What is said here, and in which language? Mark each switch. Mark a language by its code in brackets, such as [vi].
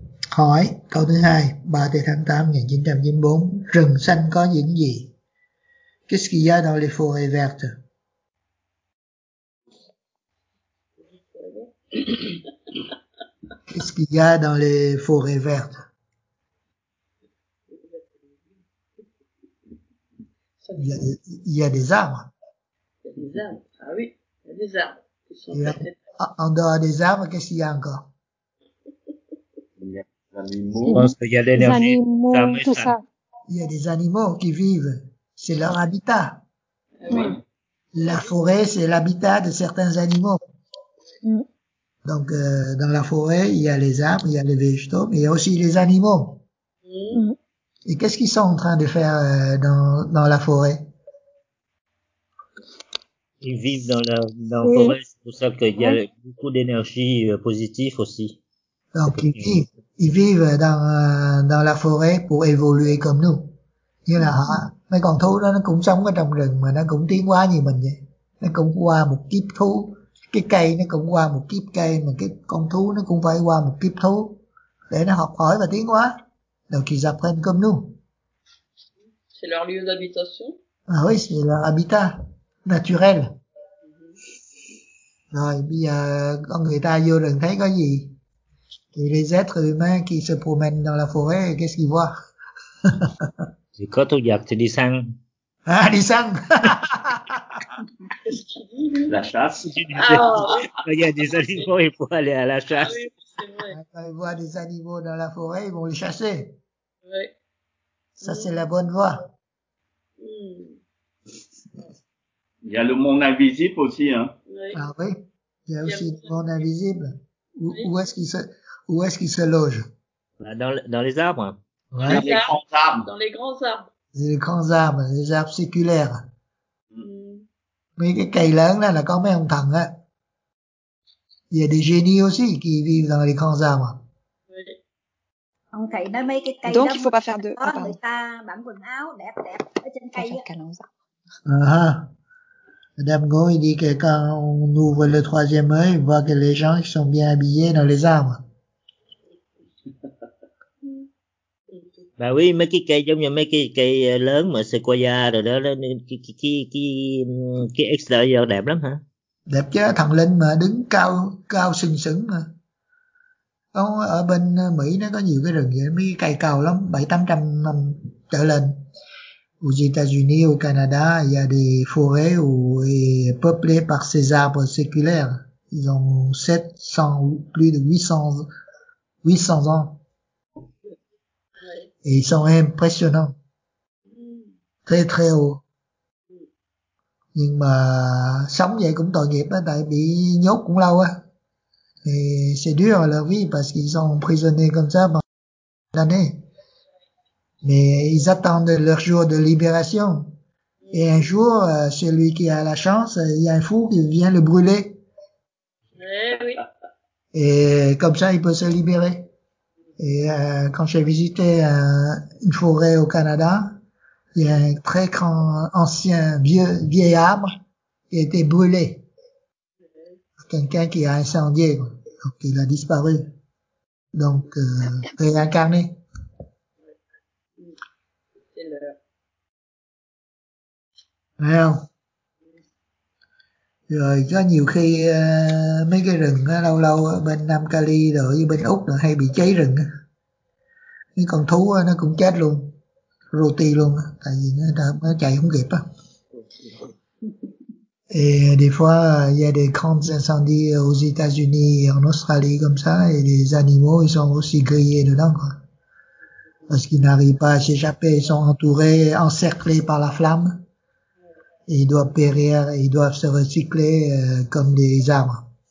[vi] Hỏi, câu thứ hai, 3 tháng 8, 1994, rừng xanh có những gì? [fr] Qu'est-ce qu'il y a dans les forêts vertes? Qu'est-ce qu'il y a dans les forêts vertes? Il y a des arbres. Il y a des arbres. Ah oui, il y a des arbres. En dehors des arbres, qu'est-ce qu'il y a encore? Il y a des animaux. Il y a l'énergie. Des animaux, tout ça. Il y a des animaux qui vivent. C'est leur habitat. Oui. La forêt, c'est l'habitat de certains animaux. Donc, dans la forêt, il y a les arbres, il y a les végétaux, mais il y a aussi les animaux. Et qu'est-ce qu'ils sont en train de faire dans la forêt? Ils vivent dans la forêt, c'est pour ça qu'il y a beaucoup d'énergie positive aussi. Donc ils vivent dans la forêt pour évoluer comme nous. [vi] Như là họ, mấy con thú đó nó cũng sống ở trong rừng mà nó cũng tiến hóa như mình vậy. Nó cũng qua một kiếp thú, cái cây nó cũng qua một kiếp cây, mà cái con thú nó cũng phải qua một kiếp thú để nó học hỏi và tiến hóa. [fr] Donc ils apprennent comme nous. C'est leur lieu d'habitation. Ah oui, c'est leur habitat naturel. Mm-hmm. [vi] Rồi bây giờ con người ta vô rừng thấy có gì? [fr] Thì les êtres humains qui se promènent dans la forêt, qu'est-ce qu'ils voient? Du coup, tu y as tu dis sang. Ah, dis sang. La chasse. Oh. Il y a des animaux, il faut aller à la chasse. Oui. C'est vrai. Quand ils voient des animaux dans la forêt, ils vont les chasser. Oui. Ça, c'est la bonne voie. Il y a le monde invisible aussi, hein. Oui. Ah oui. Il y a aussi le monde invisible. Où est-ce qu'il se loge? Dans les arbres. Ouais. Dans les grands arbres. Dans les grands arbres. Les grands arbres, les arbres séculaires. [vi] Mais cái cây lớn là có mấy ông thần á. [fr] Il y a des génies aussi qui vivent dans les grands arbres. Donc il faut pas faire de. Ah, pardon. Madame Ngô, il dit que quand on ouvre le troisième œil, on voit que les gens ils sont bien habillés dans les arbres. Bah oui, mais qui cueille, comme il y a mes cueilles lớn, mais c'est quoi là, qui extérieur [vi] đẹp lắm, [fr] hein? [vi] Đẹp chứ, thần linh mà đứng cao, cao sừng sững mà. Ở bên Mỹ nó có nhiều cái rừng vậy, mấy cây cao lắm, 700-800 năm trở lên. [fr] Aux États-Unis, au Canada, il y a des forêts où est peuplé par ces arbres séculaires. Ils ont 700 ou plus de 800 ans. Et ils sont impressionnants. Très, très hauts. [vi] Nhưng mà sống vậy cũng tội nghiệp, tại bị nhốt cũng lâu. [fr] Et c'est dur leur vie parce qu'ils sont emprisonnés comme ça pendant des années. Mais ils attendent leur jour de libération. Et un jour, celui qui a la chance, il y a un fou qui vient le brûler. Eh oui. Et comme ça, il peut se libérer. Et quand j'ai visité une forêt au Canada, il y a un très grand, ancien, vieil arbre qui a été brûlé. Quelqu'un qui a incendié, donc il a disparu. Donc, réincarné. [vi] Không? Rồi có nhiều khi mấy cái rừng lâu lâu bên Nam Cali rồi bên Úc là hay bị cháy rừng. Mấy con thú nó cũng chết luôn, roti luôn, tại vì nó chạy không kịp á. [fr] Et des fois il y a des grands incendies aux États-Unis et en Australie comme ça, et les animaux ils sont aussi grillés dedans quoi. Parce qu'ils n'arrivent pas à s'échapper, ils sont entourés, encerclés par la flamme. Et ils doivent périr, ils doivent se recycler comme des arbres.